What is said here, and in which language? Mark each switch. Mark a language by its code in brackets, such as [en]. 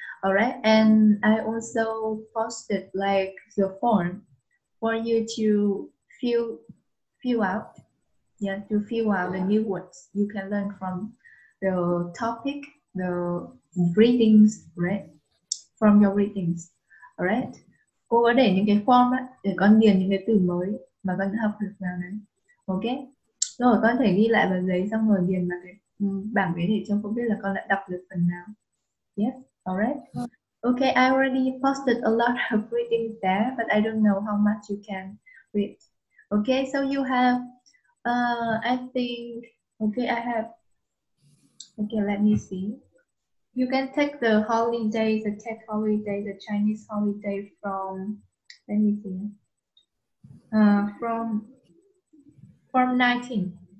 [en] All right, and I also posted like the form for you to fill out. Yeah, to fill out the new words you can learn from the topic, the readings, right? From your readings. All right. [vi] Cô có để những cái form á để con điền những cái từ mới mà con học được nào đấy. Okay. Rồi con thể ghi lại vào giấy xong rồi điền vào cái bảng đấy để cho con biết là con đã đọc được phần nào. [en] Yes, alright. Okay, I already posted a lot of readings there, but I don't know how much you can read. Okay, so you have, I think, okay, I have, okay, let me see. You can take the holiday, the Tet holiday, the Chinese holiday from, let me see, from 19.